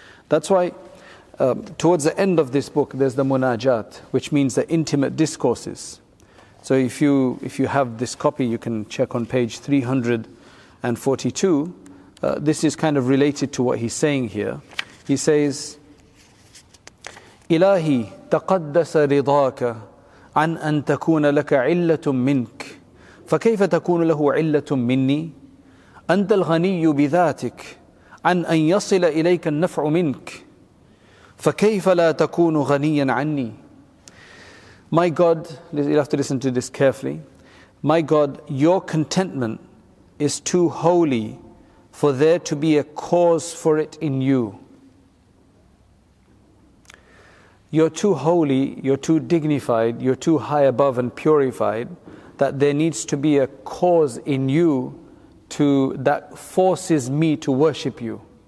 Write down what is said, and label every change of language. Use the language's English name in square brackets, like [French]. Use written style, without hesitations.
[English] That's why towards the end of this book, there's the munajat, which means the intimate discourses. So if you have this copy, you can check on page 342. This is kind of related to what he's saying here. He says, [Arabic] إلهي تقدس رضاك عن أن تكون لك علة منك فكيف تكون له علة مني أنت الغني بذاتك عن أن يصل إليك النفع منك فكيف لا تكون غنيا عني. [English] My God, you'll have to listen to this carefully. My God, your contentment is too holy for there to be a cause for it in you. You're too holy, you're too dignified, you're too high above and purified that there needs to be a cause in you that forces me to worship you.